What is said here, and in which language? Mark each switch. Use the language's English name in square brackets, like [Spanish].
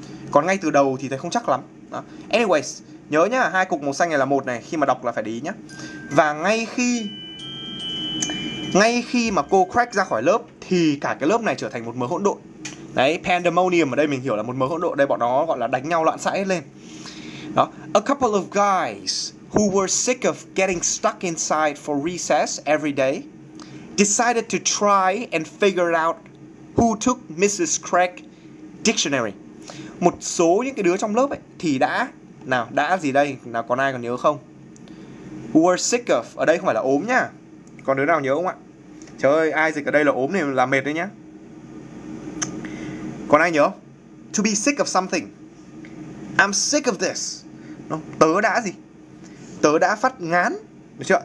[Vietnamese] Còn ngay từ đầu thì thấy không chắc lắm. Đó. Anyways, nhớ nhá, hai cục màu xanh này là một này, khi mà đọc là phải để ý nhá. Và ngay khi mà cô Craig ra khỏi lớp thì cả cái lớp này trở thành một mớ hỗn độn. Đấy, pandemonium ở đây mình hiểu là một mớ hỗn độn. Đây bọn nó gọi là đánh nhau loạn xã hết lên. [English] Đó, a couple of guys who were sick of getting stuck inside for recess every day decided to try and figure out who took Mrs. Craig dictionary. [Vietnamese] Một số những cái đứa trong lớp ấy thì đã nào, đã gì đây? Nào còn ai còn nhớ không? [English] Who were sick of, [Vietnamese] ở đây không phải là ốm nhá. Còn đứa nào nhớ không ạ? Trời ơi, ai dịch ở đây là ốm thì là mệt đấy nhá. Còn ai nhớ? [English] To be sick of something. I'm sick of this. [Vietnamese] Tớ đã gì? Tớ đã phát ngán. Được chưa?